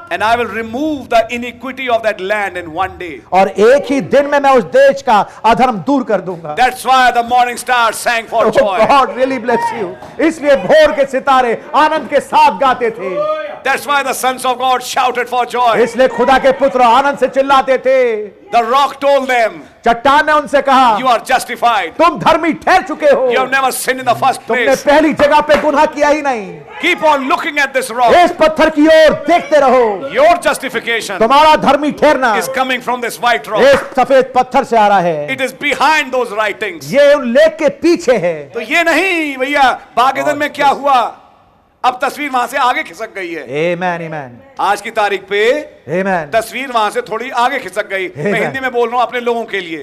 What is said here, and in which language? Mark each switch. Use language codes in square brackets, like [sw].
[en] And I will remove the iniquity of that land in one day. [hi] और एक ही दिन में मैं उस देश का अधर्म दूर कर दूंगा. [en] That's why the morning stars sang for joy. God really bless you. [hi] इसलिए भोर के सितारे आनंद के साथ गाते थे. [en] That's why the sons of God shouted for joy. [hi] इसलिए खुदा के पुत्र आनंद से चिल्लाते थे. [en] The rock told them. [hi] चट्टान ने उनसे कहा. [en] You are justified. [hi] तुम धर्मी ठहर चुके हो. [en] You have never sinned in the first place. [hi] तुमने पहली जगह पे गुनाह किया ही नहीं. [en] Keep on looking at this rock. [hi] इस पत्थर की ओर देखते रहो. [en] Your justification. [hi] तुम्हारा धर्मी ठहरना. [en] Is coming from this white rock. [hi] इस सफेद पत्थर से आ रहा है. [en] It is behind those writings. [hi] ये उन लेख के पीछे है. तो ये नहीं भैया बागेदन में क्या हुआ. अब तस्वीर वहां से आगे खिसक गई है. [en] Amen, amen. [hi] आज की तारीख पे [en] amen. [hi] तस्वीर वहां से थोड़ी आगे खिसक गई. [en] Amen. [hi] मैं हिंदी में बोल रहा हूँ अपने लोगों के लिए.